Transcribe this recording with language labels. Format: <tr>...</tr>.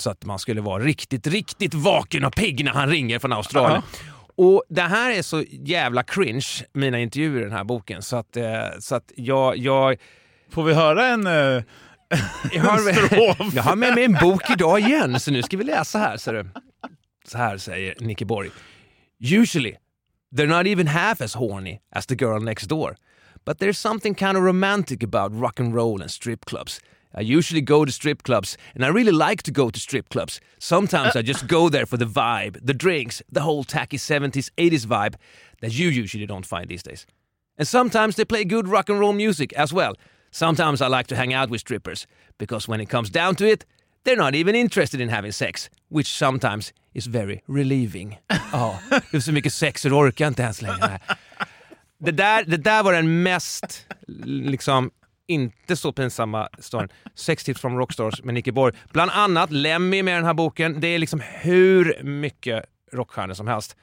<sv>Så att man skulle vara riktigt, riktigt vaken och pigg när han ringer från Australien. Och det här är så jävla cringe, mina intervjuer i den här boken. Så att jag... Får vi höra en strof? Jag har med mig en bok idag igen, så nu ska vi läsa här. Så här säger Nicky Borg.</sv> <en>Usually, they're not even half as horny as the girl next door. But there's something kind of romantic about rock and roll and strip clubs. I usually go to strip clubs, and I really like to go to strip clubs. Sometimes I just go there for the vibe, the drinks, the whole tacky 70s, 80s vibe that you usually don't find these days. And sometimes they play good rock and roll music as well. Sometimes I like to hang out with strippers, because when it comes down to it, they're not even interested in having sex, which sometimes is very relieving.</en> <sv>Oh, det är så mycket sex och orkar inte ens längre. Det där var den mest liksom inte så pinsamma storyn. Sex tips från rockstars med Nicky Borg. Bland annat Lemmy med den här boken. Det är liksom hur mycket rockstjärnor som helst.</sv>